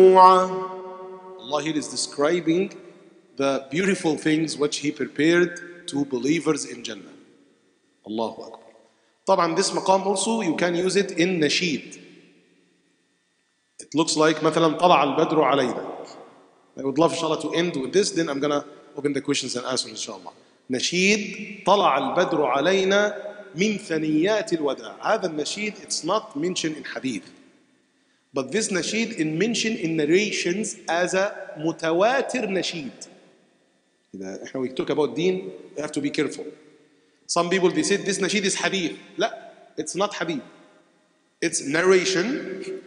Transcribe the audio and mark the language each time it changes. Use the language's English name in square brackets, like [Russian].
[English] Allah here is describing the beautiful things which He prepared to believers in Jannah. Allahu Akbar. طبعاً this maqam also you can use it in nasheed. It looks like [Arabic] مثلاً طلع البدر علينا. [English] I would love inshallah to end with this, then I'm gonna open the questions and answers inshallah. [Arabic] Nasheed, طلع البدر علينا من ثنيات الوداع. هذا النشيد [English] it's not mentioned in hadith. But this nasheed is mentioned in narrations as a متواتر nasheed. إحنا we talk about deen, we have to be careful. Some people they said this nasheed is hadith. لا, it's not hadith. It's narration.